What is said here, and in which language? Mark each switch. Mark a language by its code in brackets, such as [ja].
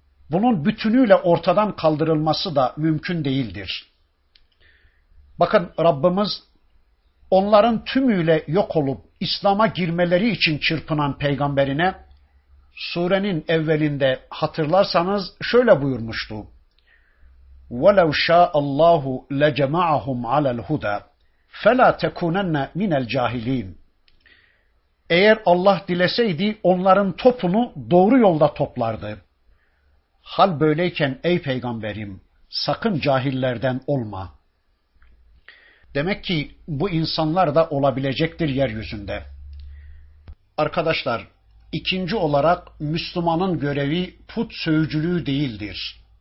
[tr] Bunun bütünüyle ortadan kaldırılması da mümkün değildir. Bakın Rabbimiz, onların tümüyle yok olup İslam'a girmeleri için çırpınan peygamberine, surenin evvelinde hatırlarsanız şöyle buyurmuştu. [ar] وَلَوْ شَاءَ اللّٰهُ لَجَمَعَهُمْ عَلَى الْهُدَى فَلَا تَكُونَنَّ مِنَ الْجَاهِل۪ينَ [tr] Eğer Allah dileseydi onların topunu doğru yolda toplardı. Hal böyleyken ey peygamberim, sakın cahillerden olma. Demek ki bu insanlar da olabilecektir yeryüzünde. Arkadaşlar, ikinci olarak Müslümanın görevi put sövücülüğü değildir.